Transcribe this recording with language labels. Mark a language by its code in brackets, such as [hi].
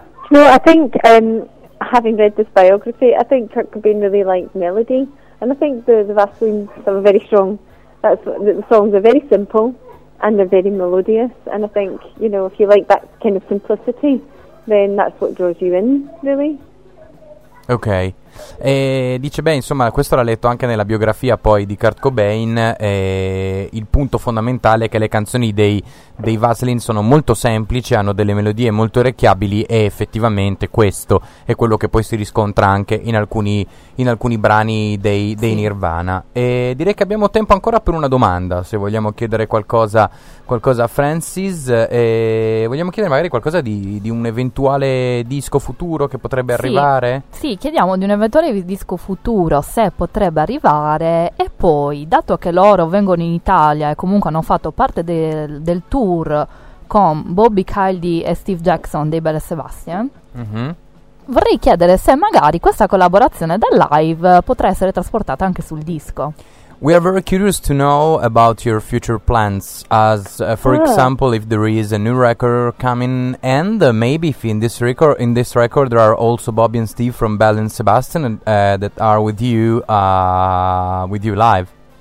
[en] No, I think, having read this biography, I think Kurt Cobain really liked melody. And I think the Vaseline's are very strong. The songs are very simple and they're very melodious. And I think, you know, if you like that kind of simplicity, then that's what draws you in, really. [it] Ok, e dice, beh, insomma, questo l'ha letto anche nella biografia poi di Kurt Cobain, il punto fondamentale è che le canzoni dei Vaseline sono molto semplici, hanno delle melodie molto orecchiabili, e effettivamente questo è quello che poi si riscontra anche in alcuni brani dei Nirvana. E direi che abbiamo tempo ancora per una domanda, se vogliamo chiedere qualcosa a Francis, vogliamo chiedere magari qualcosa di un eventuale disco futuro che potrebbe arrivare? Sì, chiediamo di un eventuale disco futuro se potrebbe arrivare, e poi, dato che loro vengono in Italia e comunque hanno fatto parte del tour con Bobby Caldi e Steve Jackson dei Belle Sebastian, mm-hmm. vorrei chiedere se magari questa collaborazione da live potrà essere trasportata anche sul disco. [en] We are very curious to know about your future plans, as for example, if there is a new record coming, and maybe if in this record there are also Bobby and Steve from Belle and Sebastian that are with you live.